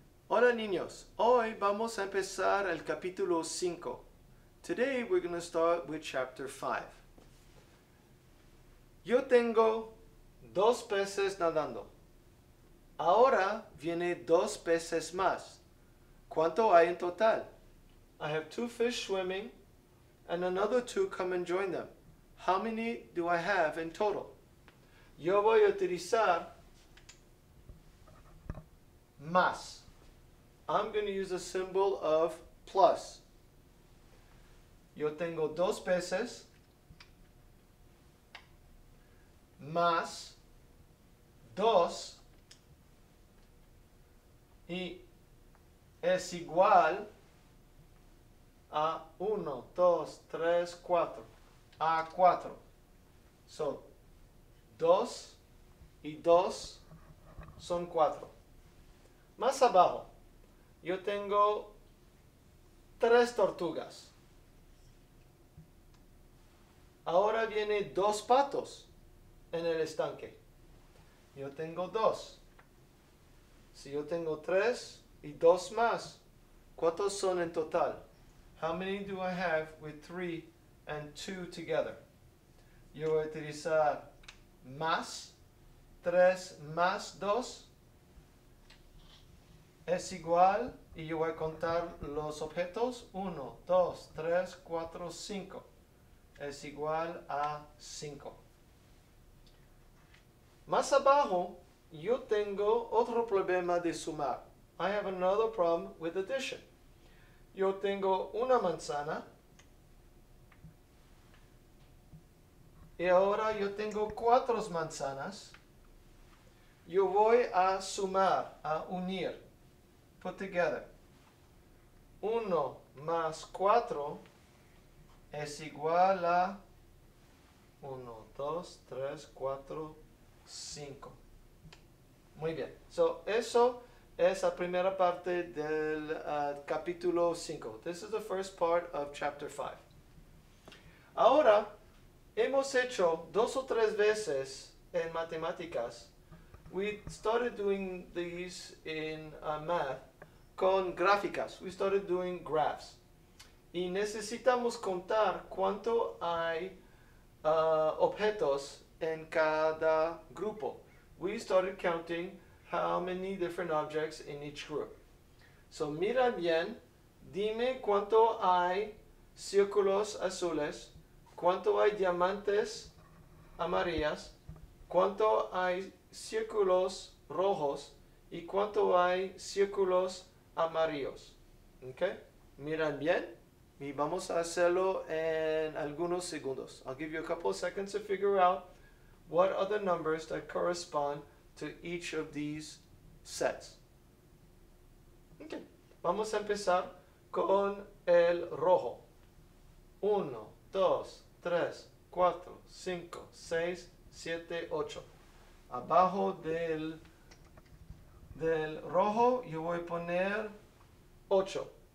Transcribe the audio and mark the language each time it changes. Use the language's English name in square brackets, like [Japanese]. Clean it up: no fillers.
[Spanish] Hola niños, hoy vamos a empezar el capítulo 5. [English] Today we're going to start with chapter 5. [Spanish] Yo tengo dos peces nadando. Ahora viene dos peces más. ¿Cuánto hay en total? [English] I have two fish swimming and another two come and join them. How many do I have in total? [Spanish] Yo voy a utilizar más. [English] I'm going to use a symbol of plus. [Spanish] Yo tengo dos peces más dos y es igual a uno, dos, tres, cuatro. A cuatro. So, dos y dos son cuatro. Más abajo. Yo tengo tres tortugas. Ahora viene dos patos en el estanque. Yo tengo dos. Si yo tengo tres y dos más, ¿cuántos son en total? [English] How many do I have with three and two together? [Spanish] Yo voy a utilizar más, tres más dos. Es igual, y yo voy a contar los objetos, 1, 2, 3, 4, 5. Es igual a 5. Más abajo, yo tengo otro problema de sumar. [English] I have another problem with addition. [Spanish] Yo tengo una manzana. Y ahora yo tengo cuatro manzanas. Yo voy a sumar, a unir. [English] Put together. [Spanish] 1 más 4 es igual a 1, 2, 3, 4, 5. Muy bien. So, eso es la primera parte del capítulo 5. [English] This is the first part of chapter 5. [Spanish] Ahora, hemos hecho dos o tres veces en matemáticas. [English] We started doing these in math. [Spanish] Con gráficas. [English] We started doing graphs. [Spanish] Y necesitamos contar cuánto hay objetos en cada grupo. [English] We started counting how many different objects in each group. [Spanish] So mira bien, dime cuánto hay círculos azules, cuánto hay diamantes amarillas, cuánto hay círculos rojos y cuánto hay círculos amarillos. Okay? Miran bien. Y vamos a hacerlo en algunos segundos. [English] I'll give you a couple of seconds to figure out what are the numbers that correspond to each of these sets. Okay. [Spanish] Vamos a empezar con el rojo. 1, 2, 3, 4, 5, 6, 7, 8. Abajo del rojo yo voy a poner 8.